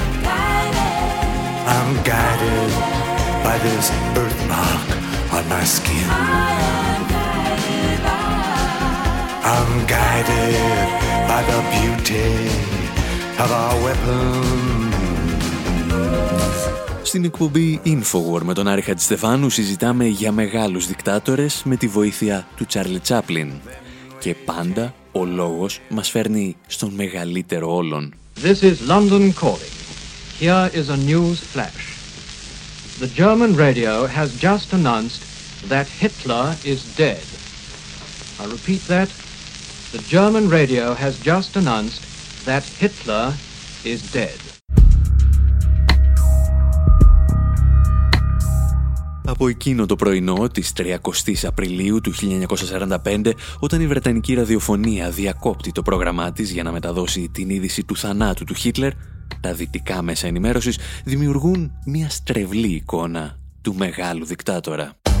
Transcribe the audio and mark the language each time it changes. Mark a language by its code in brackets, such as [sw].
[en] guided. I'm guided by this birthmark on my skin. I am guided by, I'm guided by the beauty of our weapons. [el] Στην εκπομπή Infowar με τον Άρη Χατζηστεφάνου συζητάμε για μεγάλους δικτάτορες με τη βοήθεια του Τσάρλι Τσάπλιν. Και πάντα ο λόγος μας φέρνει στον μεγαλύτερο όλων. [en] This is London calling. Here is a news flash. The German radio has just announced that Hitler is dead. I repeat that. The German radio has just announced that Hitler is dead. [el] Από εκείνο το πρωινό της 30ης Απριλίου του 1945, όταν η Βρετανική ραδιοφωνία διακόπτει το πρόγραμμά της για να μεταδώσει την είδηση του θανάτου του Χίτλερ, τα δυτικά μέσα ενημέρωσης δημιουργούν μια στρεβλή εικόνα του μεγάλου δικτάτορα.